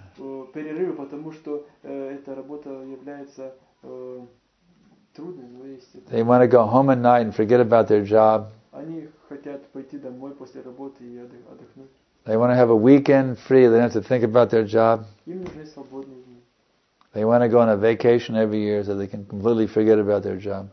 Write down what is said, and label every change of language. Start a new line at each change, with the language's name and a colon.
Russian: Перерыв, потому что эта работа является трудной, но есть.
English: They want to go home at night and forget about their job.
Russian: Они хотят пойти домой после работы и отдохнуть.
English: They want to have a weekend free. They don't have to think about their job.
Russian: Им нужны свободные дни.
English: They want to go on a vacation every year so they can completely forget about their job.